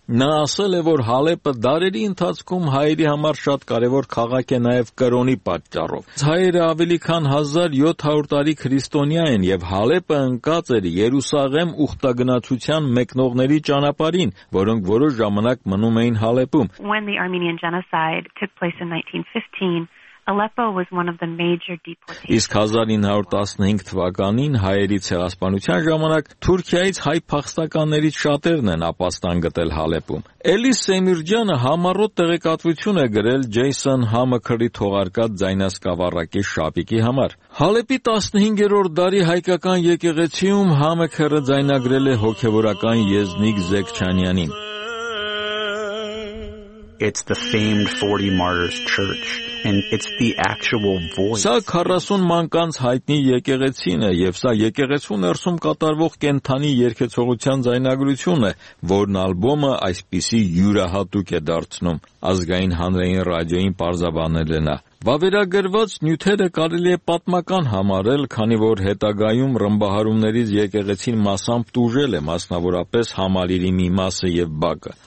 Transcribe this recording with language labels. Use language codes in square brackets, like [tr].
[hy] Նա ասել է, որ Հալեպը դարերի ընթացքում հայերի համար շատ կարևոր քաղաք է նաև կրոնի պատճառով։ Հայերը ավելի քան 1700 տարի քրիստոնյա են, և Հալեպը ընկած էր Երուսաղեմ ուխտագնացության մեկնողների ճանապարհին, որոնք որոշ ժամանակ մնում էին Հալեպում։ [en] When the Armenian genocide took place in 1915, Aleppo was one of the major deportations. [hy] Իսկ 1915 թվականին հայերի ցեղասպանության ժամանակ Թուրքիայից հայ փախստականներից շատերն են ապաստան գտել Հալեպում։ Էլիս Սեմիրջյանը համառոտ տեղեկատվություն է գրել Ջեյսոն Համաքերի թողարկած ձայնասկավառակի շապիկի համար։ Հալեպի 15-րդ դարի հայկական եկեղեցիում Համաքերը ձայնագրել է հոգևորական Եզնիկ Զեկչանյանին։ [en] It's the famed 40 Martyrs Church, and it's the actual voice. [hy] Սա 40 մանկանց հայտնի եկեղեցին է, և սա եկեղեցու ներսում կատարվող կենդանի երգեցողության ձայնագրություն է, որն ալբոմը այսպիսի յուրահատուկ է դարձնում, ազգային հանրային ռադիոյին պարզաբանել է նա։ Վավերագրված նյութերը կարելի է պատմական համարել, քանի որ հետագայում ռմբահարումներից եկեղեցին մասամբ տուժել է, մասնավորապես համալիրի մի մասը և բակը։